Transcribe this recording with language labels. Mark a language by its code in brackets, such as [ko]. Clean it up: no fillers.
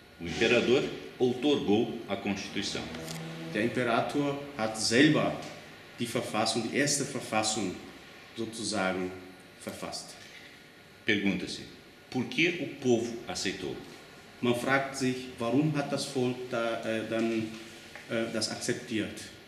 [pt] O imperador outorgou a Constituição. [de] Der Imperator hat selber die Verfassung, die erste Verfassung sozusagen verfasst. [pt] Pergunta-se, por que o povo aceitou? [de] Man fragt sich, warum hat das Volk da dann das akzeptiert?